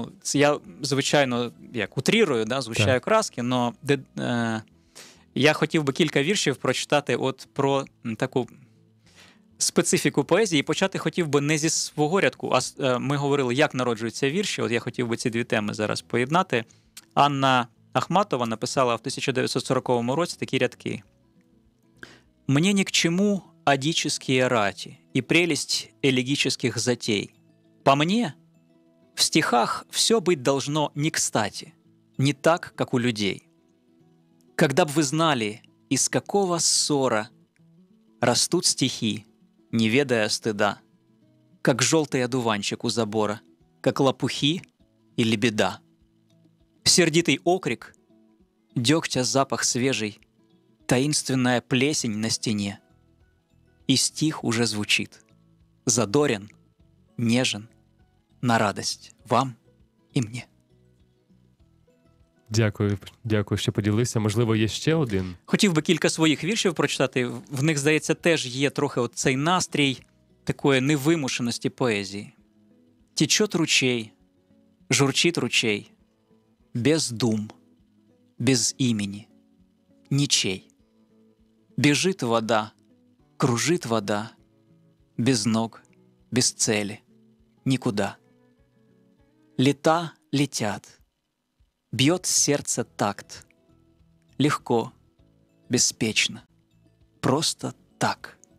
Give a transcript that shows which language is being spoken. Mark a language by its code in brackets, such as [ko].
[uk] Це я, звичайно, як утрірую, да, звучаю краски, але я хотів би кілька віршів прочитати от про таку специфіку поезії. Почати хотів би не зі свого рядку, а ми говорили, як народжуються вірші. От я хотів би ці дві теми зараз поєднати. Анна Ахматова написала в 1940 році такі рядки. [ru] «Мне ни к чему адические рати и прелесть элегических затей. По мне, в стихах все быть должно не кстати, не так, как у людей». Когда б вы знали, из какого ссора растут стихи, не ведая стыда, как желтый одуванчик у забора, как лопухи или беда. Сердитый окрик, дегтя запах свежий, таинственная плесень на стене, и стих уже звучит, задорен, нежен, на радость вам и мне. [uk] Дякую, дякую, що поділився. Можливо, є ще один? Хотів би кілька своїх віршів прочитати. В них, здається, теж є трохи оцей настрій такої невимушеності поезії. [ru] Течет ручей, журчит ручей, без дум, без имени, ничей. Бежит вода, кружит вода, без ног, без цели, никуда. Лета летят, бьет сердце такт, легко, беспечно, просто так.